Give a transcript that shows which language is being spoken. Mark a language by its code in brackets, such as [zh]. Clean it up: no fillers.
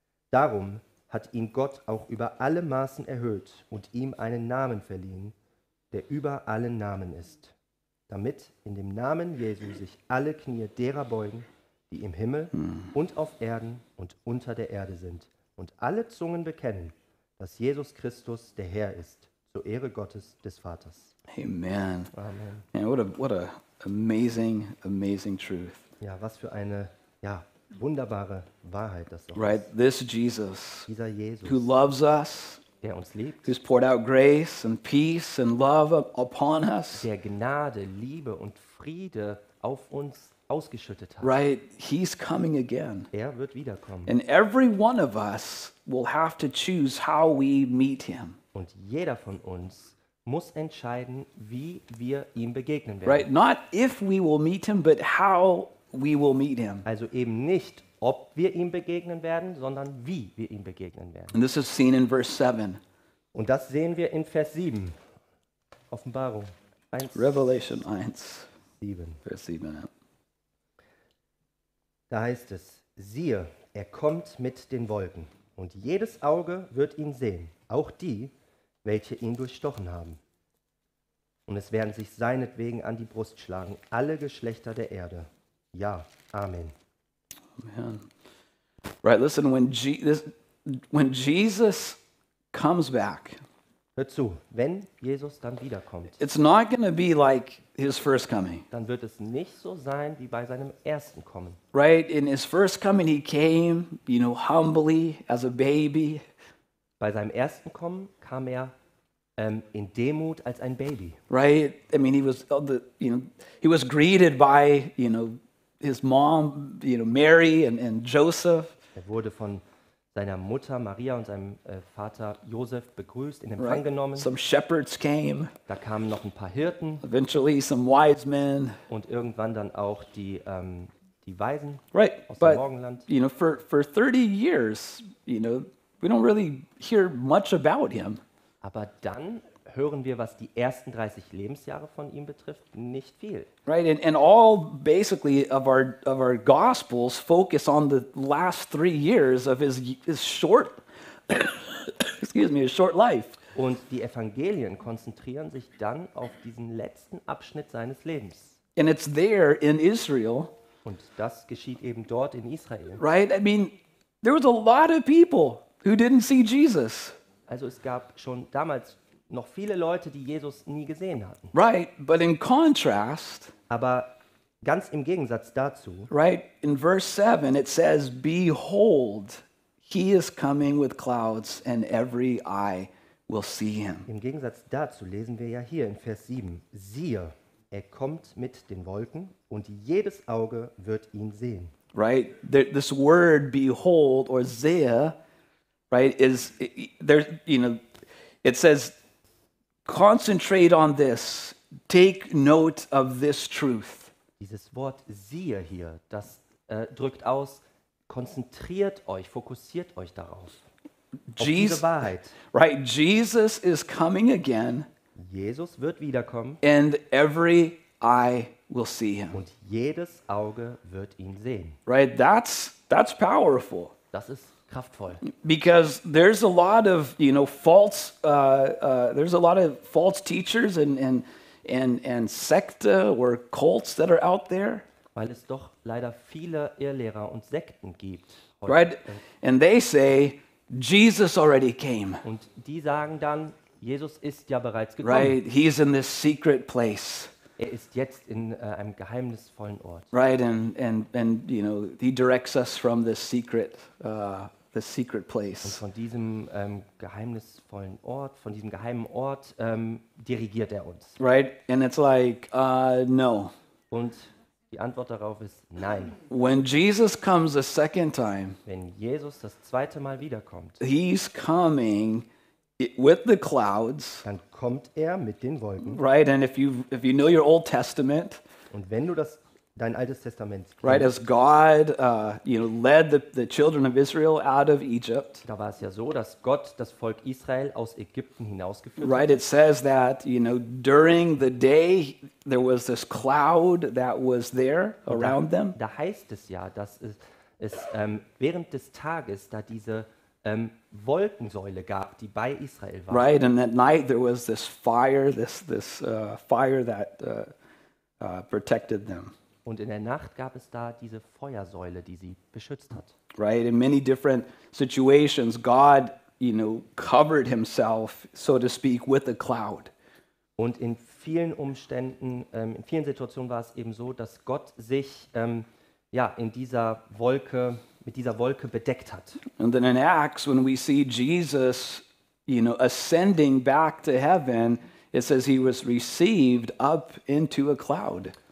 [de] Darum hat ihn Gott auch über alle Maßen erhöht und ihm einen Namen verliehen, der über allen Namen ist, damit in dem Namen Jesu sich alle Knie derer beugen, die im Himmel und auf Erden und unter der Erde sind, und alle Zungen bekennen, dass Jesus Christus der Herr ist, zur Ehre Gottes des Vaters. Amen. Amen. [en] Man, what a amazing, amazing truth. [de] Ja, was für eine, ja, wunderbare Wahrheit das auch. [en] Right, this Jesus, [de] dieser Jesus, [en] who loves us, [de] der uns liebt, [en] who's poured out grace and peace and love upon us, [de] der Gnade, Liebe und Friede auf uns ausgeschüttet hat. [en] Right, he's coming again. [de] Er wird wiederkommen. [en] And every one of us will have to choose how we meet him. [de] Und jeder von uns muss entscheiden, wie wir ihm begegnen werden. [en] Right, not if we will meet him, but how we will meet him. [de] Also eben nicht, ob wir ihm begegnen werden, sondern wie wir ihm begegnen werden. [en] And this is seen in verse 7. [de] Und das sehen wir in Vers 7. Offenbarung 1. [en] Revelation 1. 7. [de] Vers 7. Ja. Da heißt es, siehe, er kommt mit den Wolken, und jedes Auge wird ihn sehen, auch die, welche ihn durchstochen haben. Und es werden sich seinetwegen an die Brust schlagen, alle Geschlechter der Erde. Ja, Amen. [en] Amen. Right, listen, when Jesus comes back, [de] hör zu, wenn Jesus dann wiederkommt, [en] it's not going to be like his first coming. [de] Dann wird es nicht so sein wie bei seinem ersten Kommen. [en] Right, in his first coming he came, you know, humbly as a baby. [de] Bei seinem ersten Kommen kam er in Demut als ein Baby. [en] Right, I mean, he was greeted by, you know, his mom, you know, Mary and Joseph. [de] Er wurde von seiner Mutter Maria und seinem Vater Josef begrüßt, in Empfang genommen. [en] Some shepherds came. [de] Da kamen noch ein paar Hirten. [en] Eventually some wise men. [de] Und irgendwann dann auch die die Weisen aus dem Morgenland. [en] You know, for 30 years, you know, we don't really hear much about him. [de] Aber dann hören wir, was die ersten 30 Lebensjahre von ihm betrifft, nicht viel. [en] Right, and all basically of our Gospels focus on the last 3 years of his short, excuse me, his short life. [de] Und die Evangelien konzentrieren sich dann auf diesen letzten Abschnitt seines Lebens. [en] And it's there in Israel. [de] Und das geschieht eben dort in Israel. [en] Right, I mean, there was a lot of people who didn't see Jesus. [de] Also es gab schon damals noch viele Leute, die Jesus nie gesehen hatten. [en] Right, but in contrast, [de] aber ganz im Gegensatz dazu, [en] right, in verse 7 it says, behold, he is coming with clouds and every eye will see him. [de] Im Gegensatz dazu lesen wir ja hier in Vers 7, siehe, er kommt mit den Wolken und jedes Auge wird ihn sehen. [en] Right, this word behold or sehe, right, is there, you know, it says concentrate on this. Take note of this truth. [de] Dieses Wort siehe hier, das drückt aus, konzentriert euch, fokussiert euch darauf. Diese Wahrheit. [en] Right, Jesus is coming again. [de] Jesus wird wiederkommen. [en] And every eye will see him. [de] Und jedes Auge wird ihn sehen. [en] Right, that's powerful. [de] Das ist kraftvoll. [en] Because there's a lot of, you know, false there's a lot of false teachers and sekte or cults that are out there. [de] Weil es doch leider viele Irrlehrer und Sekten gibt. [en] Right? And they say Jesus already came. [de] Und die sagen dann, Jesus ist ja bereits gekommen. [en] Right, he's in this secret place. [de] Er ist jetzt in einem geheimnisvollen Ort. [en] Right, and you know, he directs us from this secret the secret place. [de] Und von diesem geheimnisvollen Ort, von diesem geheimen Ort dirigiert er uns. [en] Right, and it's like no. [de] Und die Antwort darauf ist nein. [en] When Jesus comes a second time, [de] wenn Jesus das zweite Mal wiederkommt, [en] he's coming with the clouds. [de] Dann kommt er mit den Wolken. [en] Right, and if you know your Old Testament, [de] und wenn du das dein Altes Testament kennst, [en] right, as God you know, led the children of Israel out of Egypt, [de] da war es ja so, dass Gott das Volk Israel aus Ägypten hinausgeführt hat. [en] Right, it says that, you know, during the day there was this cloud that was there around them. [de] Da heißt es ja, dass es während des Tages da diese Wolkensäule gab, die bei Israel war. [en] Right, and at night there was this fire, this fire that protected them. [de] Und in der Nacht gab es da diese Feuersäule, die sie beschützt hat. [en] Right, in many different situations, God, you know, covered himself, so to speak, with a cloud. [de] Und in vielen Umständen, in vielen Situationen war es eben so, dass Gott sich mit dieser Wolke bedeckt hat. [en] And then in Acts, when we see Jesus, you know, ascending back to heaven, it says he was received up into a cloud.